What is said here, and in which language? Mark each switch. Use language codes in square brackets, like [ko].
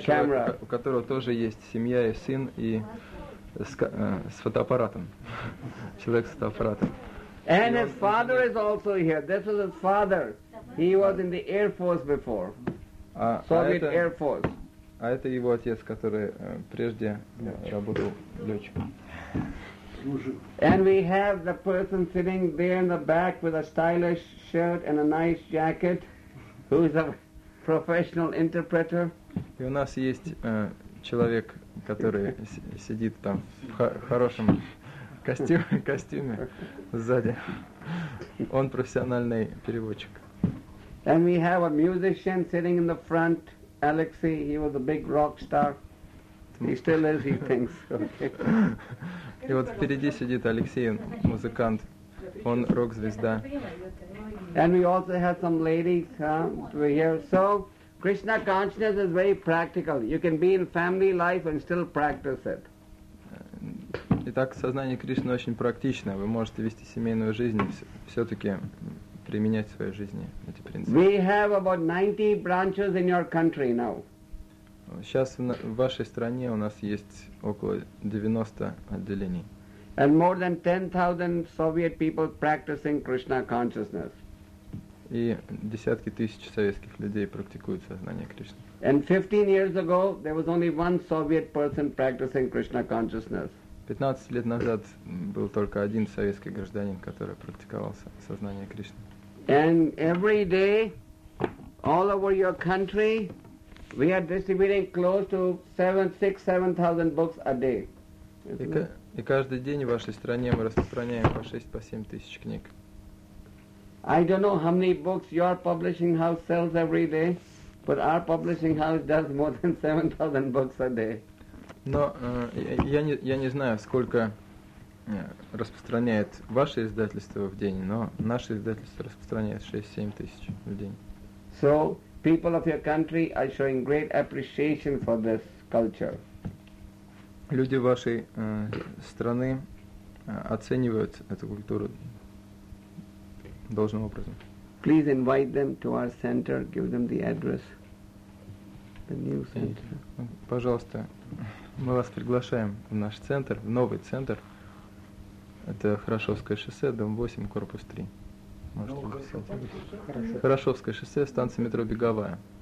[ru] человек, у которого тоже есть семья и сын, и с фотоаппаратом, человек с фотоаппаратом. [en] And his father is also here. This is his father. He was in the Air Force before. Soviet Air Force. [ru] А это его отец, который прежде работал летчиком. [en] And we have the person sitting there in the back with a stylish shirt and a nice jacket, who is a professional interpreter. [ru] И у нас есть человек, который сидит там в хорошем костюме сзади. Он профессиональный переводчик. [en] And we have a musician sitting in the front, Alexei. He was a big rock star. He still is, he thinks. [ru] Okay. И вот впереди сидит Алексей, музыкант. Он рок-звезда. [en] And we also have some ladies here. So, Krishna consciousness is very practical. You can be in family life and still practice it. [ru] Итак, сознание Кришны очень практичное. Вы можете вести семейную жизнь, все-таки применять в своей жизни эти принципы. [en] We have about 90 branches in your country now. [ru] Сейчас в вашей стране у нас есть около 90 отделений. [en] And more than 10,000 Soviet people practicing Krishna consciousness. [ru] И десятки тысяч советских людей практикуют сознание Кришны. [en] And 15 years ago there was only one Soviet person practicing Krishna consciousness. [ru] 15 лет назад был только один советский гражданин, который практиковал сознание Кришны. [en] And every day, all over your country, we are distributing close to 7,000 books a day. [ru] И каждый день в вашей стране мы распространяем по 6,000-7,000 книг. [en] I don't know how many books your publishing house sells every day, but our publishing house does more than 7,000 books a day. [ru] Но я не знаю, сколько распространяет ваше издательство в день, но наше издательство распространяет 6-7 тысяч в день. [en] So people of your country are showing great appreciation for this culture. [ru] Люди вашей страны оценивают эту культуру должным образом. [en] Please invite them to our center, give them the address. The new center. [ru] Пожалуйста. Мы вас приглашаем в наш центр, в новый центр. Это Хорошевское шоссе, дом 8, корпус 3. Можете написать. Хорошевское шоссе, станция метро Беговая.